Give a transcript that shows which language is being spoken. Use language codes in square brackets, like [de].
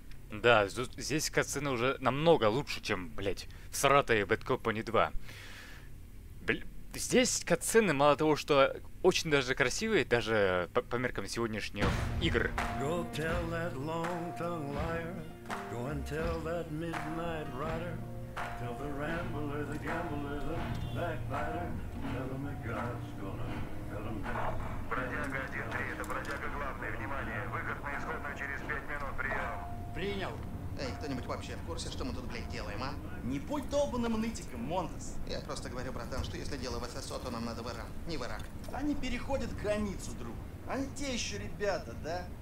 [ru] Да, здесь катсцены уже намного лучше, чем, блядь, в Саратове Bad Company 2. Здесь катсцены, мало того, что очень даже красивые, даже по меркам сегодняшних игр. [en] Go tell that long-tongued liar, go and tell that midnight rider, tell the rambler, the gambler, the backbiter, tell him that God's gonna tell him that. [ru] Бродяга 1-3, это бродяга главный, внимание, выход на исходную через 5 минут, прием. Принял. Эй, кто-нибудь вообще в курсе, что мы тут, блядь, делаем, а? Не будь долбанным нытиком, Монтес. Я просто говорю, братан, что если дело в ССО, то нам надо в Иран, не в Ирак. Они переходят границу, друг. Они те еще ребята, да?